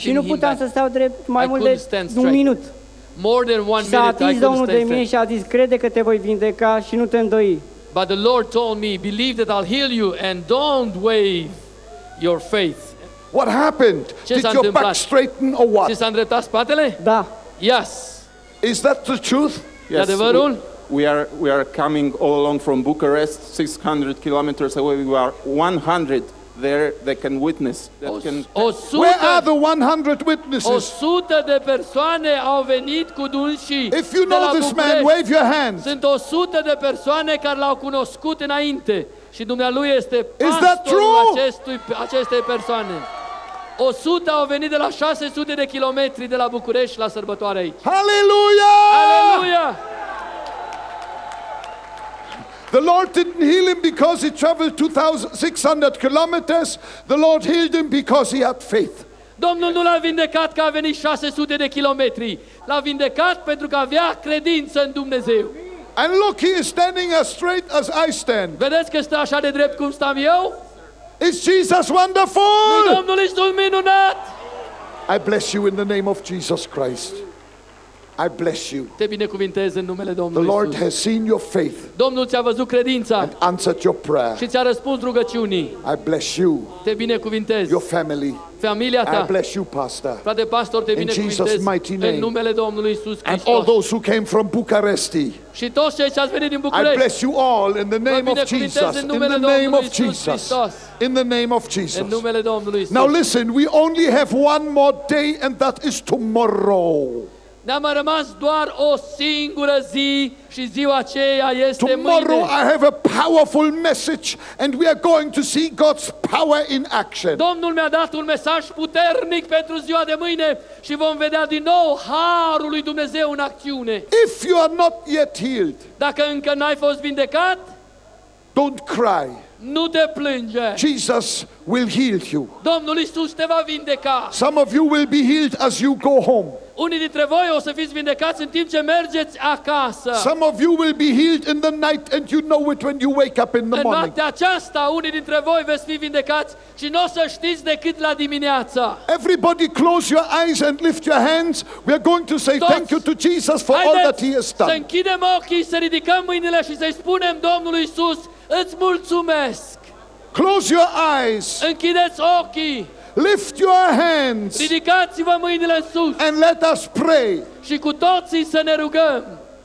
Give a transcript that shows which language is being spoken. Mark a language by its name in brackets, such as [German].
[English] him. [Romanian] Și nu puteam să stau drept mai mult de un minut. [English] More than one minute, I couldn't stand straight. [Romanian] Mie și a zis, crede că te voi vindeca și nu te îndoi. [English] But the Lord told me, believe that I'll heal you and don't waver your faith. What happened? [Romanian] Ce [English] did your back straighten or what? [Romanian] Ți s-a îndreptat spatele? Da. [English] Yes. Is that the truth? Yes. [Romanian] Adevărul? [English] We are coming all along from Bucharest, 600 kilometers away. We are 100 there that can witness, that o, can o where are the 100 witnesses? [Romanian] 100 de persoane au venit cu dânsii. [English] If you know this [Romanian] București, [English] man, wave your hands. [Romanian] Sunt 100 de persoane care l-au cunoscut înainte și dumnealui este pastorul acestei persoane. 100 au venit de la 600 de kilometri de la București la sărbătoare aici. [English] Hallelujah! Hallelujah! The Lord didn't heal him because he traveled 2,600 kilometers. The Lord healed him because he had faith. [Romanian] Domnul nu l-a vindecat că a venit 600 de kilometri. L-a vindecat pentru că avea credință în Dumnezeu. [English] And look, he is standing as straight as I stand. [Romanian] Vedeți că stă așa de drept cum stau eu? [English] Is Jesus wonderful? [Romanian] Nu, Domnul este minunat. [English] I bless you in the name of Jesus Christ. I bless you. [Romanian] Te binecuvintez în numele Domnului. [English] The Lord has seen your faith. [Romanian] Domnul ți-a văzut credința. [English] And answered your prayer. [Romanian] Și ți-a răspuns rugăciunii. [English] I bless you. [Romanian] Te binecuvintez. [English] Your family. [Romanian] Familia ta. [English] I bless you, pastor. [Romanian] Frate pastor, te binecuvintez în numele Domnului Iisus Hristos. [English] And all those who came from Bucharesti. [Romanian] Și toți cei ce ați venit din București. [English] I bless you all in the name of Jesus. [Romanian] În numele Domnului Iisus Hristos. [English] In the name of Jesus. [Romanian] În numele Domnului Iisus. [English] Now listen, we only have one more day and that is tomorrow. [Romanian] Ne-am rămas doar o singură zi și ziua aceea este mâine. [English] Tomorrow I have a powerful message and we are going to see God's power in action. [Romanian] Domnul mi-a dat un mesaj puternic pentru ziua de mâine și vom vedea din nou harul lui Dumnezeu în acțiune. [English] If you are not yet healed, [Romanian] dacă încă n-ai fost vindecat, [English] don't cry. [Romanian] Nu te plânge. [English] Jesus will heal you. [Romanian] Domnul Iisus te va vindeca. [English] Some of you will be healed as you go home. [Romanian] Unii dintre voi o să fiți vindecați în timp ce mergeți acasă. [English] Some of you will be healed in the night and you know it when you wake up in the morning. [Romanian] În noaptea aceasta unii dintre voi veți fi vindecați și n-o să știți decât la dimineață. [English] Everybody close your eyes and lift your hands. We are going to say thank you to Jesus for all that he has done. [Romanian] Să închidem ochii, să ridicăm mâinile și să-i spunem Domnului Iisus, îți mulțumesc. [English] Close your eyes. [Romanian] Închideți ochii. [English] Lift your hands. [Romanian] Ridicați-vă mâinile în sus. [English] And let us pray. [Romanian] Și cu toții să ne rugăm.